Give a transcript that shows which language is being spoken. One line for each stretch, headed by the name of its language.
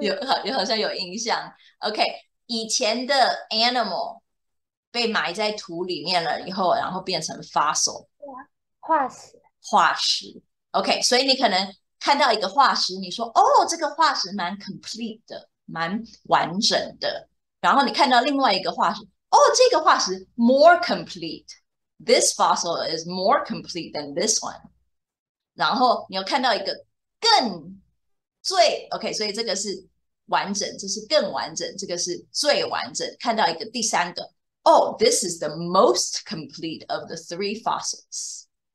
Chinese: 有好像有印象。OK，以前的 animal 被埋在土里面了以后，然后变成 fossil 化石。化石。OK，所以你可能看到一个化石，你说哦，这个化石蛮 complete 的，蛮完整的。然后你看到另外一个化石。哦，这个化石
English: more complete. This fossil is more complete than this one.
Chinese: 然后你又看到一个更最 OK，所以这个是完整，这是更完整，这个是最完整。看到一个第三个
English: Oh, this is the most complete of the three fossils.